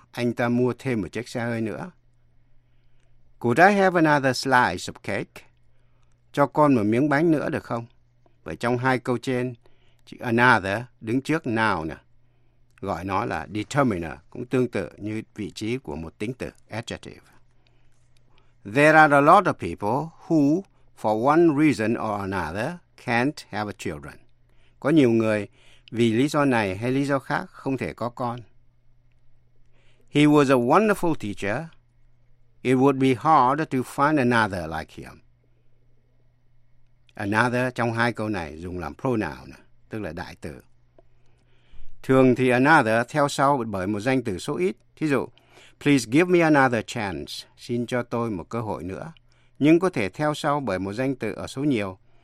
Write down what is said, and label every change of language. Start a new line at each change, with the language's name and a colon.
Vietnamese: Anh ta mua thêm một chiếc xe hơi nữa.
English: Could I have another slice of cake?
Vietnamese: Cho con một miếng bánh nữa được không? Vậy trong hai câu trên, chữ another đứng trước noun. Gọi nó là determiner, cũng tương tự như vị trí của một tính từ, adjective.
English: There are a lot of people who, for one reason or another, can't have children.
Vietnamese: Có nhiều người vì lý do này hay lý do khác không thể có con.
English: He was a wonderful teacher. It would be hard to find another like him.
Vietnamese: Another trong hai câu này dùng làm pronoun, tức là đại từ. Thường thì another theo sau bởi một danh từ số ít. Thí dụ,
English: please give me another chance.
Vietnamese: Xin cho tôi một cơ hội nữa. Nhưng có thể theo sau bởi một danh từ ở số nhiều.